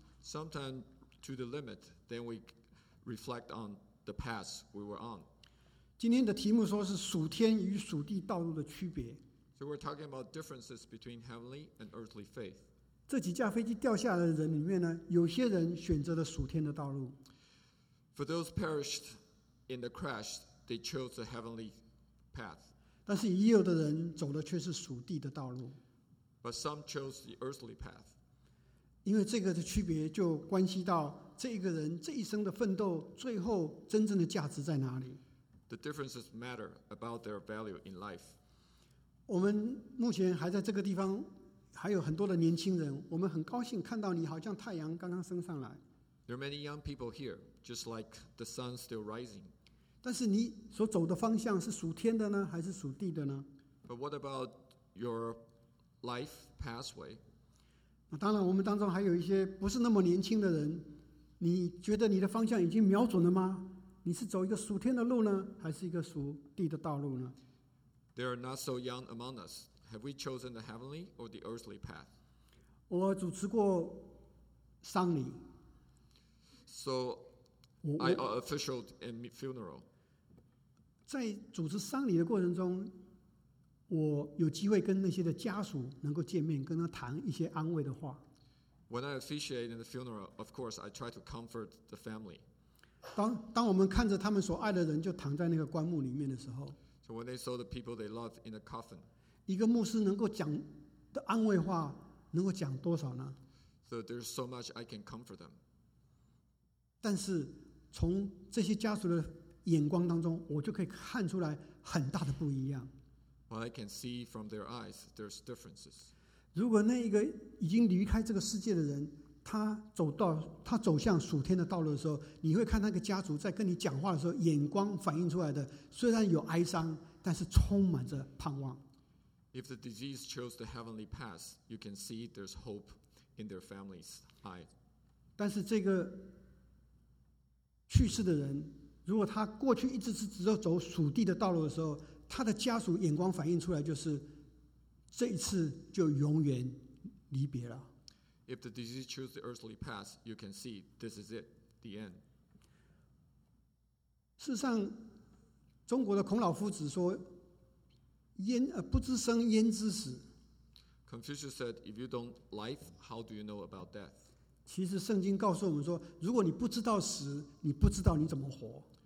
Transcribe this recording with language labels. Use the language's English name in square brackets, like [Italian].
[English] Sometimes to the limit, then we reflect on the path we were on. [Chinese] 今天的题目说是属天与属地道路的区别。 [English] So we're talking about differences between heavenly and earthly faith. [Chinese] 这几架飞机掉下来的人里面呢，有些人选择了属天的道路。 [English] For those perished in the crash, they chose the heavenly path. [Chinese] 但是也有的人走的却是属地的道路。 [English] But some chose the earthly path. [Chinese] 因为这个的区别就关系到这一个人这一生的奋斗，最后真正的价值在哪里。 [English] The differences matter about their value in life. [Chinese] 我们目前还在这个地方。还有很多的年轻人，我们很高兴看到你，好像太阳刚刚升上来。 [English] There are many young people here, just like the sun still rising. [Chinese] 但是你所走的方向是属天的呢，还是属地的呢？ [English] But what about your life pathway. [Chinese] 那当然，我们当中还有一些不是那么年轻的人，你觉得你的方向已经瞄准了吗？你是走一个属天的路呢，还是一个属地的道路呢？ [English] There are not so young among us. Have we chosen the heavenly or the earthly path? [Chinese] 我主持过丧礼。 [English] So I officiated a funeral. [Chinese] 在主持丧礼的过程中，我有机会跟那些的家属能够见面，跟他谈一些安慰的话。 [English] When I officiated in the funeral, of course, I tried to comfort the family. [Chinese] 当我们看着他们所爱的人就躺在那个棺木里面的时候 [English] ，So when they saw the people they love in the coffin, [Chinese] 一个牧师能够讲的安慰话能够讲多少呢 [English] ？So there's so much I can comfort them. [Chinese] 但是从这些家属的眼光当中，我就可以看出来很大的不一样。 [English] But I can see from their eyes, there's differences. [Chinese] 如果那一个已经离开这个世界的人，他走向属天的道路的时候，你会看那个家族在跟你讲话的时候，眼光反映出来的虽然有哀伤，但是充满着盼望。 [English] If the deceased chose the heavenly path, you can see there's hope in their family's eyes. [Chinese] 但是这个去世的人，如果他过去一直是只有走属地的道路的时候，他的家属眼光反映出来就是这一次就永远离别了。 [English] If the disease chose the earthly path, you can see this is it, the end. [Chinese] 事实上，中国的孔老夫子说，不知生焉知死。 [English] Confucius said, if you don't life, how do you know about death? [Chinese] 其实圣经告诉我们说，如果你不知道死，你不知道你怎么活。